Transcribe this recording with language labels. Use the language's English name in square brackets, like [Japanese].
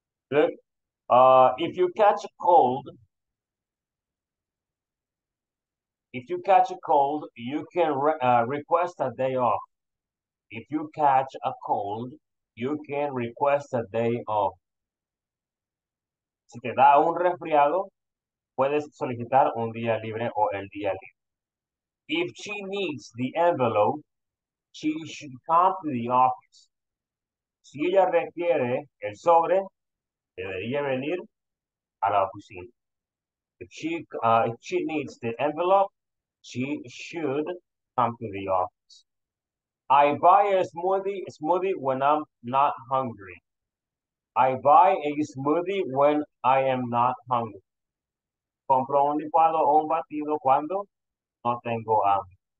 [English] Look, if you catch a cold, you can request a day off. If you catch a cold, you can request a day off. [Spanish] Si te da un resfriado, puedes solicitar un día libre o el día libre. [English] If she needs the envelope, she should come to the office. [Spanish] Si ella requiere el sobre, debería venir a la oficina. [English] If she needs the envelope, she should come to the office. I buy a smoothie when I'm not hungry. I buy a smoothie when I am not hungry. [Spanish] Compro un licuado o un batido cuando no tengo hambre.